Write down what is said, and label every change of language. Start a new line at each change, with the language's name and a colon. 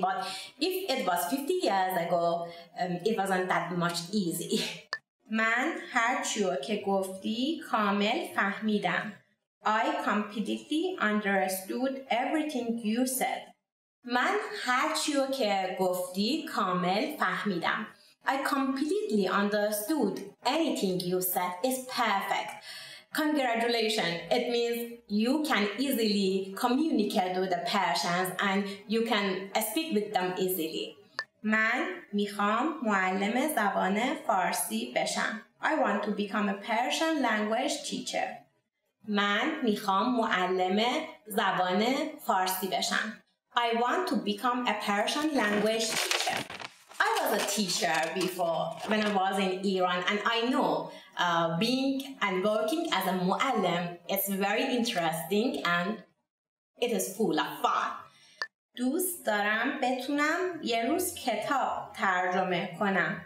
English: But if it was 50 years ago, it wasn't that much easy.
Persian: من هر چی که گفتی کامل فهمیدم.
English: I completely understood everything you said.
Persian: من هر چی رو که گفتی کامل فهمیدم.
English: I completely understood anything you said. It's perfect. Congratulations. It means you can easily communicate with the Persians and you can speak with them easily.
Persian: من میخوام معلم زبان فارسی بشم.
English: I want to become a Persian language teacher.
Persian: من میخوام معلم زبان فارسی بشم.
English: I want to become a Persian language teacher. I was a teacher before when I was in Iran and I know being and working as a muallim is very interesting and it is full of fun.
Persian: دوست دارم بتونم یه روز کتاب ترجمه کنم.